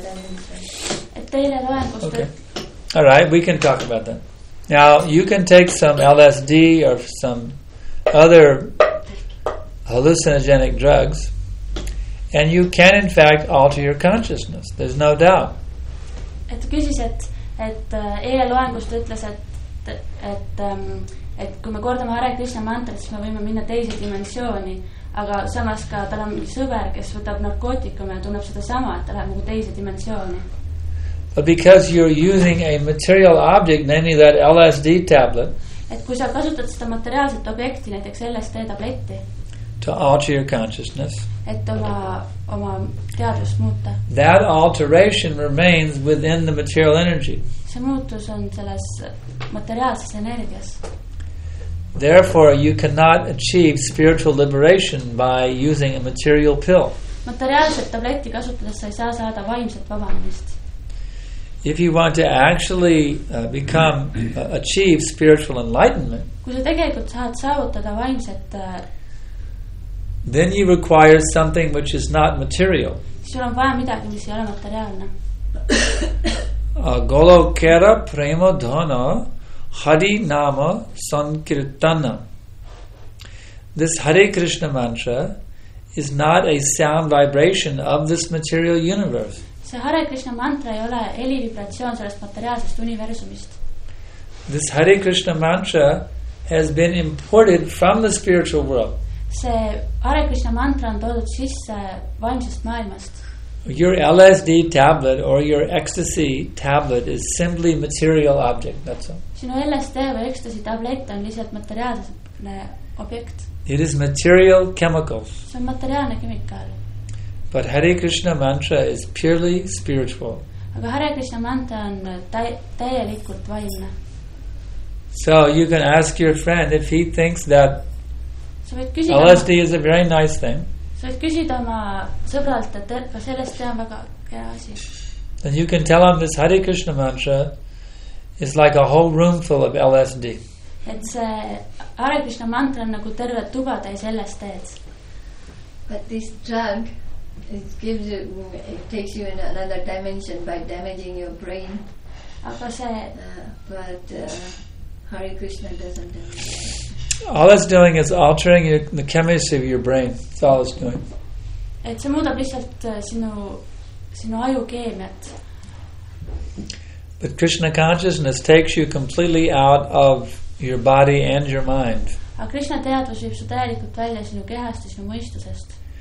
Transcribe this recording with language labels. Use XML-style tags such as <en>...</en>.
<en>dimension. Okay. All right, we can talk about that. Now, you can take some LSD or some other hallucinogenic drugs, and you can, in fact, alter your consciousness. There's no doubt.</en> <et>Et küsis, et eeloengust ütles, et kui me kordame Hare Krishna mantrat, siis me võime minna teise dimensiooni, aga samas ka tal on sõber, kes võtab narkootikume ja tunneb seda sama, et ta läheb mingi teise dimensiooni.</et> <en>But because you're using a material object, namely that LSD tablet,</en> <et>et kui sa kasutad seda materiaalset objekti, näiteks LSD tabletti,</et> <en>to alter your consciousness,</en> <et>et oma teadvust muuta.</et> <en>That alteration remains within the material energy.</en> <et>See muutus on selles materiaalses energias.</et> <en>Therefore, you cannot achieve spiritual liberation by using a material pill.</en> <et>Materiaalset tabletti kasutades sa ei saa saada vaimset vabanemist.</et> <en>If you want to actually become achieve spiritual enlightenment,</en> <et>kui sa tegelikult saad saavutada vaimset,</et> <en>then you require something which is not material.</en> <et>Sul on vaja midagi, mis ei ole materiaalne.</et> <sa>Golokera prema dhana Hari Nama Sankirtana.</sa> <en>This Hare Krishna mantra is not a sound vibration of this material universe.</en> <et>See Hare Krishna mantra ei ole heli vibratsioon sellest materiaalsest universumist.</et> <en>This Hare Krishna mantra has been imported from the spiritual world.</en> <et>See Hare Krishna mantra on toodud sisse vaimsest maailmast.</et> <en>Your LSD tablet or your ecstasy tablet is simply material object, that's all.</en> <et>Sinu LSD või ecstasy tablet on lihtsalt materiaalne objekt.</et> <en>It is material chemical.</en> <et>See on materiaalne kemikaal.</et> <en>But Hare Krishna mantra is purely spiritual.</en> <et>Aga Hare Krishna mantra on täielikult vaimne.</et> <en>So you can ask your friend if he thinks that</en> <et>sa võid küsida,</et> <en>LSD is a very nice thing.</en> <et>Sa võid küsida oma sõbralt, et sellest on väga hea asi.</et> <en>And you can tell him this Hare Krishna mantra is like a whole room full of LSD.</en> <et>Et see Hare Krishna mantra on nagu terve tuba täis LSD-s.</et> <en>But this drug, it gives you, it takes you in another dimension by damaging your brain.</en> <et>Aga see,</et> <en>but Hare Krishna doesn't damage it. All it's doing is altering the chemistry of your brain. That's all it's doing.</en> <et>Et see muudab lihtsalt sinu aju keemiat.</et> <en>But Krishna consciousness takes you completely out of your body and your mind.</en> <et>Aga Krishna teadvus viib su täielikult välja sinu kehast ja sinu mõistusest.</et>